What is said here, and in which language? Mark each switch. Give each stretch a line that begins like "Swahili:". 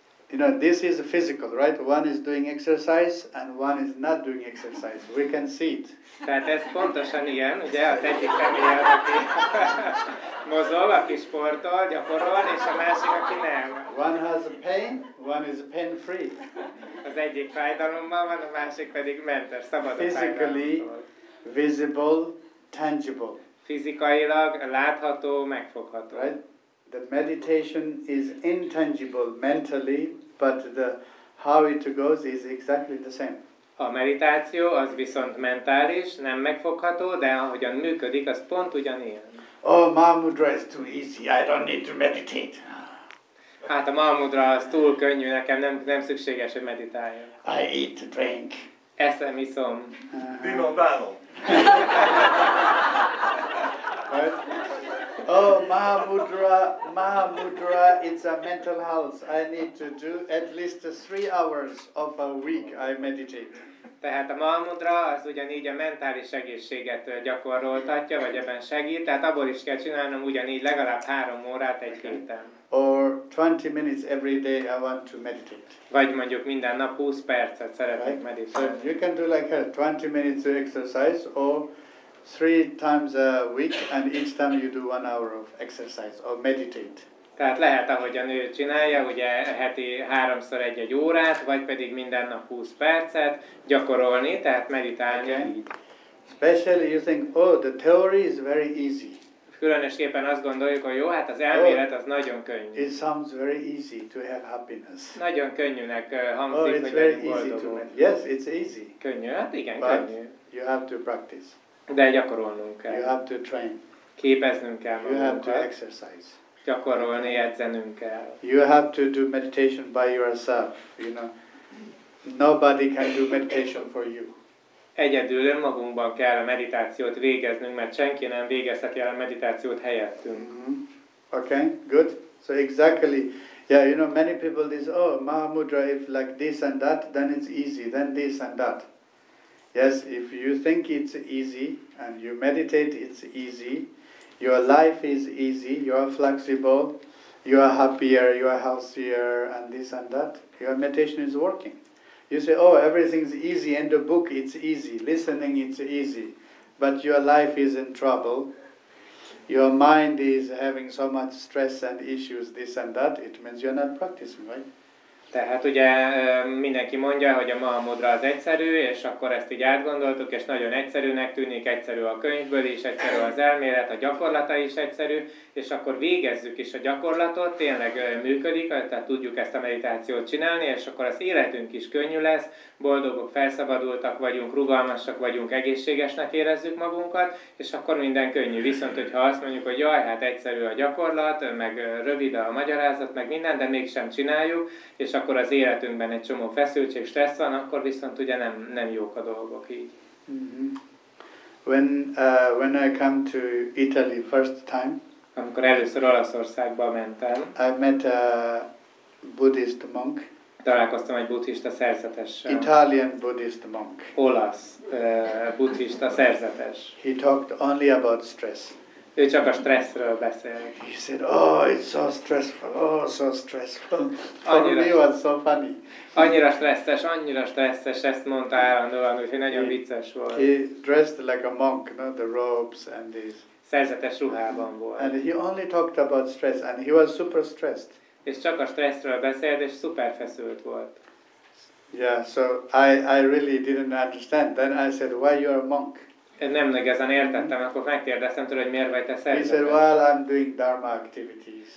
English: You know, this is physical, right? One is doing exercise and one is not doing exercise. We can see it.
Hungarian: Tehát ez pontosan ilyen, ugye, az egyik személy, aki mozog, aki sportol, gyakorol, és a másik, aki nem.
English: One has a pain, one is pain free.
Hungarian: Az egyik fájdalommal van, a másik pedig mentes, szabad a fájdalomtól.
English: Physically visible, tangible.
Hungarian: Fizikailag látható, megfogható.
English: Right? The meditation is intangible mentally, but the how it goes is exactly the same.
Hungarian: A meditáció az viszont mentális, nem megfogható, de ahogyan működik, az pont ugyanilyen.
English: Oh, Mahamudra is too easy, I don't need to meditate.
Hungarian: Hát a Mahamudra az túl könnyű, nekem nem szükséges, hogy meditáljon.
English: I eat, drink.
Hungarian: Eszem, iszom.
English: Right? Oh, Mahamudra, it's a mental health. I need to do at least 3 hours of a week I meditate.
Hungarian: Tehát a Mahamudra az ugyanígy a mentális egészséget gyakoroltatja, vagy ebben segít, tehát abból is kell csinálnom ugyanígy legalább 3 órát egy héten.
English: Or 20 minutes every day I want to meditate.
Hungarian: Vagy mondjuk minden nap 20 percet szeretnék
English: right?
Hungarian: meditálni.
English: You can do like that, 20 minutes of exercise or 3 times a week, and each time you do 1 hour of exercise or meditate.
Hungarian: Tehát lehet, ahogyan ő csinálja, ugye heti 3-szor egy-egy órát, vagy pedig minden nap 20 percet gyakorolni, tehát meditálni.
English: Okay. Especially you think, oh, the theory is very easy.
Hungarian: Különösképpen azt gondoljuk, hogy jó, hát az elmélet az nagyon könnyű.
English: It sounds very easy to have happiness.
Hungarian: Nagyon könnyűnek hangzik,
English: oh, it's
Hungarian: hogy
English: very
Hungarian: boldogul.
English: Easy to yes, it's easy.
Hungarian: Könnyű, hát igen,
English: but
Hungarian: könnyű.
English: You have to practice.
Hungarian: De gyakorolnunk kell.
English: You have to train.
Hungarian: képeznünk kell magunkat.
English: You have to exercise.
Hungarian: Gyakorolni, edzenünk kell.
English: You have to do meditation by yourself, you know. Nobody can do meditation for you.
Hungarian: Egyedül önmagunkban kell a meditációt végeznünk, mert senki nem végezheti el a meditációt helyettünk.
English: Mm-hmm. Okay, good. So exactly. Yeah, you know, many people say, oh, Mahamudra, if like this and that, then it's easy, then this and that. Yes, if you think it's easy and you meditate, it's easy. Your life is easy, you are flexible, you are happier, you are healthier, and this and that. Your meditation is working. You say, oh, everything's easy, and the book, it's easy, listening, it's easy. But your life is in trouble. Your mind is having so much stress and issues, this and that. It means you're not practicing, right?
Hungarian: Tehát ugye mindenki mondja, hogy a Mahamudra az egyszerű, és akkor ezt így átgondoltuk, és nagyon egyszerűnek tűnik, egyszerű a könyvből is, egyszerű az elmélet, a gyakorlata is egyszerű, és akkor végezzük is a gyakorlatot, tényleg működik, tehát tudjuk ezt a meditációt csinálni, és akkor az életünk is könnyű lesz, boldogok, felszabadultak vagyunk, rugalmasak vagyunk, egészségesnek érezzük magunkat, és akkor minden könnyű. Viszont, hogyha azt mondjuk, hogy jaj, hát egyszerű a gyakorlat, meg rövid a magyarázat, meg minden, de mégsem csináljuk, és akkor az életünkben egy csomó feszültség, stressz van, akkor viszont ugye nem jók a dolgok így. Mm-hmm.
English: When I come to Italy first time,
Hungarian: amikor először Olaszországba mentem,
English: I met a Buddhist monk.
Hungarian: Találkoztam egy buddhista szerzetessel.
English: Italian Buddhist monk.
Hungarian: Olasz buddhista szerzetes.
English: He talked only about stress.
Hungarian: Ő csak a stresszről beszélt.
English: He said, oh, it's so stressful, oh, so stressful. For me it was so funny.
Hungarian: Annyira stresszes, ezt mondta állandóan, úgyhogy nagyon vicces volt.
English: He dressed like a monk, no? The robes and these.
Hungarian: Szerzetes ruhában volt.
English: And he only talked about stress, and he was super stressed.
Hungarian: És csak a stresszről beszélt, és szuper feszült volt.
English: Yeah, so I really didn't understand. Then I said, why you are a monk?
Hungarian: Nem igazán értettem, akkor megkérdeztem tőle, hogy miért vagy te szerzetes.
English: He said, well, I'm doing dharma activities.